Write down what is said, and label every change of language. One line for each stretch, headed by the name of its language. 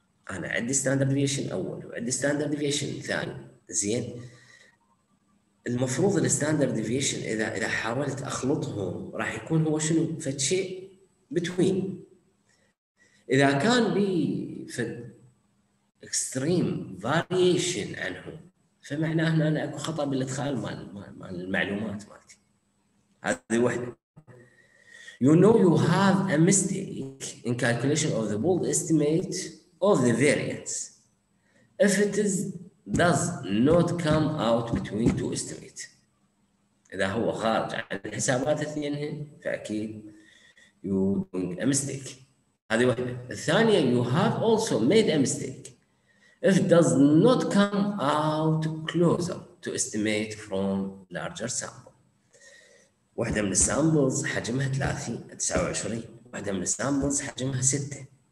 Arabic: انا عندي ستاندرد ديفيشن اول وعندي ستاندرد ديفيشن ثاني، زين المفروض الستاندرد ديفيشن اذا حاولت اخلطهم راح يكون هو شنو؟ فد شيء بتوين. اذا كان بي
English: extreme variation
Arabic: عنه، فمعناه هنا أنا أكو خطأ بالإدخال مال المعلومات مالتي. هذه واحدة.
English: You know you have a mistake in calculation of the bold estimate of the variance if it is does not come out between two estimates.
Arabic: إذا هو خارج عن الحسابات الاثنين فأكيد
English: you doing a mistake.
Arabic: هذه واحدة.
English: الثانية you have also made a mistake if does not come out closer to estimate from larger sample.
Arabic: واحدة من السامبلز حجمها 30 29، واحدة من السامبلز حجمها 6.